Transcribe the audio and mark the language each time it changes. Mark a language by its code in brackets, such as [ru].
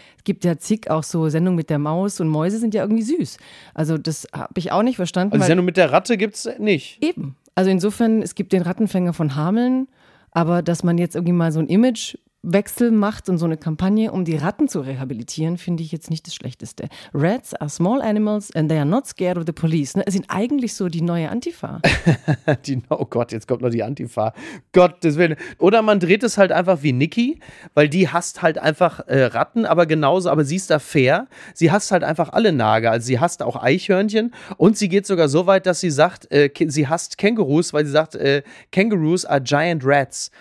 [de] Gibt ja zig auch so Sendungen mit der Maus und Mäuse sind ja irgendwie süß. Also das habe ich auch nicht verstanden. Also Sendung mit der Ratte gibt es nicht. Eben. Also insofern, es gibt den Rattenfänger von Hameln, aber dass man jetzt irgendwie mal so ein Imagewechsel macht und so eine Kampagne, um die Ratten zu rehabilitieren, finde ich jetzt nicht das Schlechteste. [en] Rats are small animals and they are not scared of the police. Ne? [de] Es sind eigentlich so die neue Antifa. oh Gott, jetzt kommt noch die Antifa. Gottes Willen. Oder man dreht es halt einfach wie Niki, weil die hasst halt einfach Ratten, aber genauso, aber sie ist da fair. Sie hasst halt einfach alle Nager. Also sie hasst auch Eichhörnchen und sie geht sogar so weit, dass sie sagt, sie hasst Kängurus, weil sie sagt, Kängurus [en] are giant rats.